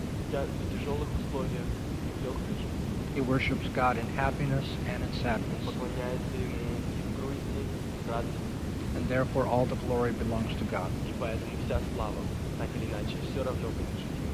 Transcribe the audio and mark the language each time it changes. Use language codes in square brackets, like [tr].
[ru] тяжелых условиях, в легкой жизни. [en] He worships God in happiness and in sadness. [ru] Поклоняется ему и в грусти, и в радости. [en] And therefore all the glory belongs to God. [ru] И поэтому вся слава, так или иначе, все равно будет жить.